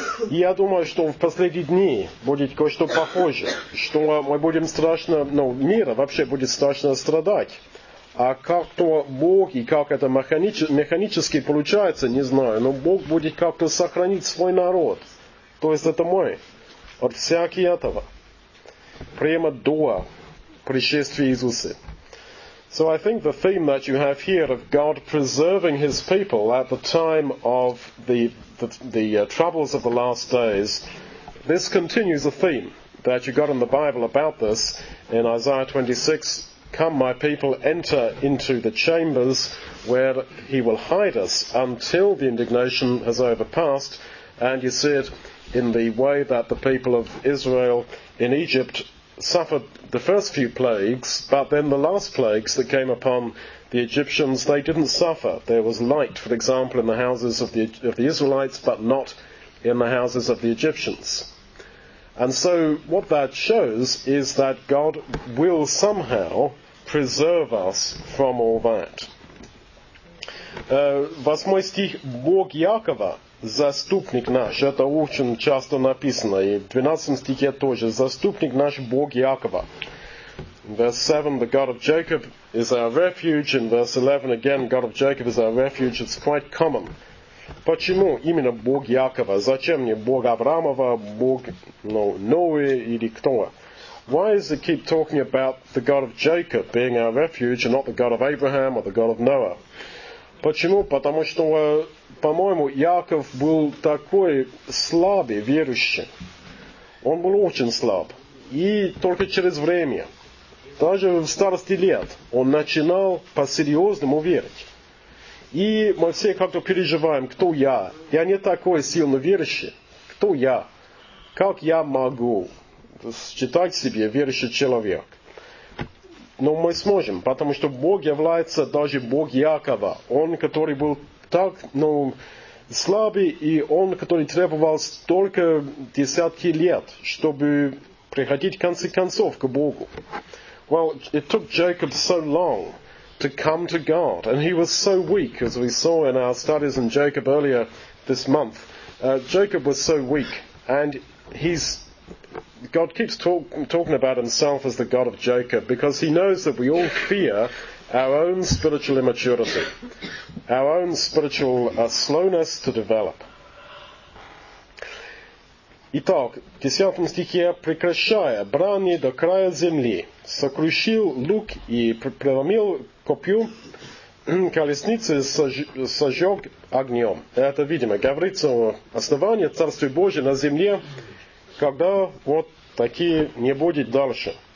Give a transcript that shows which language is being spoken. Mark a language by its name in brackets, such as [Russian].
[Russian] И я думаю, что в последние дни будет кое-что похоже, что мы будем страшно, мир вообще будет страшно страдать. А как-то Бог и как это механически получается, не знаю, но Бог будет как-то сохранить свой народ. То есть это мой. От всякого этого. Прямо до пришествия Иисуса. [English] So I think the theme that you have here of God preserving his people at the time of the troubles of the last days, this continues a theme that you got in the Bible about this in Isaiah 26, come my people, enter into the chambers where he will hide us until the indignation has overpassed. And you see it in the way that the people of Israel in Egypt suffered the first few plagues, but then the last plagues that came upon the Egyptians, they didn't suffer. There was light, for example, in the houses of the Israelites, but not in the houses of the Egyptians. And so what that shows is that God will somehow preserve us from all that. [Russian] Восьмой стих, Бог Якова, заступник наш, это очень часто написано, и в 12 стихе тоже, заступник наш Бог Якова. [English] Verse 7, the God of Jacob is our refuge. In verse 11, again, God of Jacob is our refuge. It's quite common. [Russian] Почему именно Бог Якова? Зачем мне Бог Авраамова, Бог Ноя или кто? [English] Why is it keep talking about the God of Jacob being our refuge and not the God of Abraham or the God of Noah? [Russian] Почему? Потому что, по-моему, Яков был такой слабый верующий. Он был очень слаб. И только через время, даже в старости лет, он начинал по-серьезному верить. И мы все как-то переживаем, кто я? Я не такой сильно верующий. Кто я? Как я могу считать себя верующий человек? Но мы сможем, потому что Бог является даже Бог Якова. Он, который был так слабый, и он, который требовал столько десятки лет, чтобы приходить в конце концов к Богу. [English] Well, it took Jacob so long to come to God, and he was so weak, as we saw in our studies in Jacob earlier this month. Jacob was so weak, and God keeps talking about himself as the God of Jacob because he knows that we all fear our own spiritual immaturity, our own spiritual slowness to develop. [Russian] Итак, в 10 стихе, прекращая брани до края земли, сокрушил лук и преломил копью колесницы, сожег огнем. Это, видимо, говорится о основании Царствия Божьего на земле, когда вот такие не будет дальше.